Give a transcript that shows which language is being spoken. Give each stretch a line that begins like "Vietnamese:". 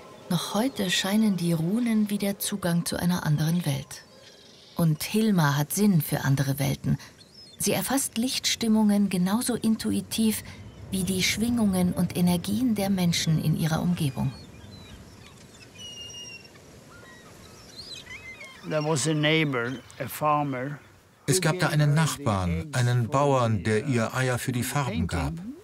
German: Noch heute scheinen die Runen wie der Zugang zu einer anderen Welt. Und Hilma hat Sinn für andere Welten. Sie erfasst Lichtstimmungen genauso intuitiv wie die Schwingungen und Energien der Menschen in ihrer Umgebung.
English: There was a neighbor, a farmer.
German: Es gab da einen Nachbarn, einen Bauern, der ihr Eier für die Farben gab.